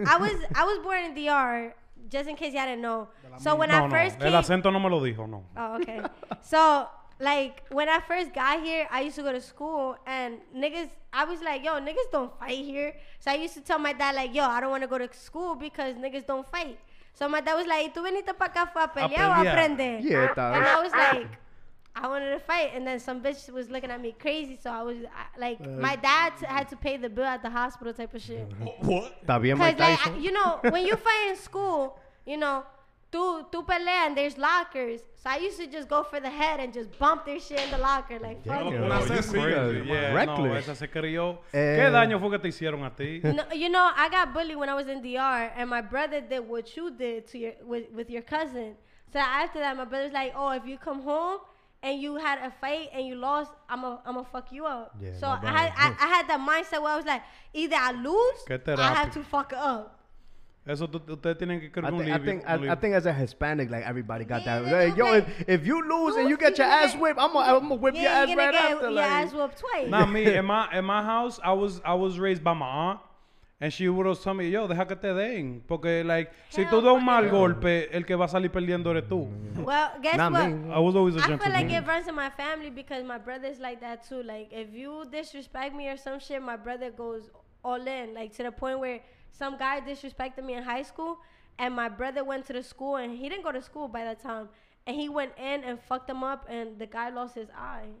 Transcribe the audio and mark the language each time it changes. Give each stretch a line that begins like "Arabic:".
English: I was born in DR, just in case you didn't know. So when no, I first no. came.
Spanish: El acento no me lo dijo, no.
English: Oh, okay. So, like, when I first got here, I used to go to school. And niggas, I was like, yo, niggas don't fight here. So I used to tell my dad, like, yo, I don't want to go to school because niggas don't fight. So my dad was like,
Spanish: ¿tú viniste para acá fue a pelear o a aprender?
English: Yeah, and I was like, I wanted to fight. And then some bitch was looking at me crazy. So I was like, my dad had to pay the bill at the hospital type of shit. What? Because, like, you know, when you fight in school, you know,
Spanish: tú pelea
English: and there's lockers. So I used to just go for the head and just bump their shit in the locker. Like, fuck you. Yeah, reckless.
Spanish: ¿Qué daño fue que te hicieron a ti?
English: You know, I got bullied when I was in DR and my brother did what you did to with your cousin. So after that, my brother's like, oh, if you come home and you had a fight and you lost, I'm a fuck you up. Yeah, so I had that mindset where I was like, either I lose or I have to fuck up.
Spanish: Eso ustedes tienen que escribir un libro.
English: I think as a Hispanic, like, everybody got that. Like, yo, if you lose and you get your ass whipped, I'm gonna whip your ass right after. like, ass whipped twice. Not me. In my house, I was raised by my aunt, and she would always tell me, yo,
Spanish: deja que te den. Porque,
English: like, hell,
Spanish: si tú das un mal golpe, el que va a salir perdiendo eres tú.
English: Well, guess not what? Me. I was always a gentleman. I feel like it runs in my family because my brother's like that, too. Like, if you disrespect me or some shit, my brother goes all in, like, to the point where some guy disrespected me in high school, and my brother went to the school, and he didn't go to school by that time, and he went in and fucked him up, and the guy lost his eye.